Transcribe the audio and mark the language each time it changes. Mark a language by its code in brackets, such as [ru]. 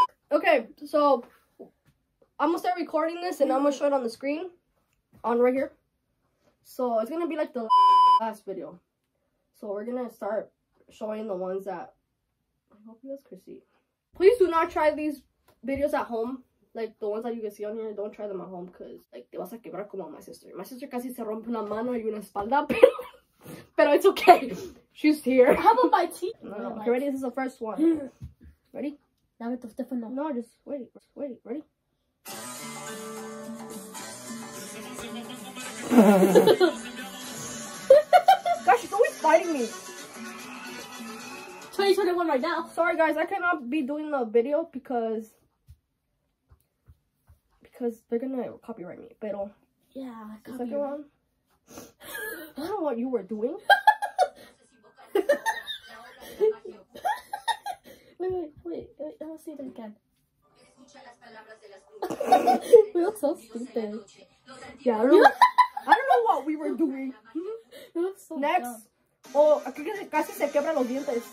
[en] Okay, so I'm gonna start recording this, and I'm gonna show it on the screen, on right here. So it's gonna be like the last video. So we're gonna start showing the ones that I hope you guys could see. Please do not try these videos at home. Like the ones that you can see on here, don't try them at home because, like, te vas a quebrar como my sister. [es] My sister casi se rompe una mano y una espalda. [en] But it's okay. She's here. How about my teeth? No, no. Okay, ready? This is the first one. Ready? No, just wait. Wait, ready? Wait, just wait. Gosh, she's always fighting me. 2021 right now. Sorry, guys. I cannot be doing the video because. Because they're gonna copyright me, but yeah, copyright. I don't know what you were doing. wait, I'll see it again. We look so stupid. Yeah, I don't know what we were doing. We look so next, dumb. [es] Oh, aquí que casi se quebra los dientes.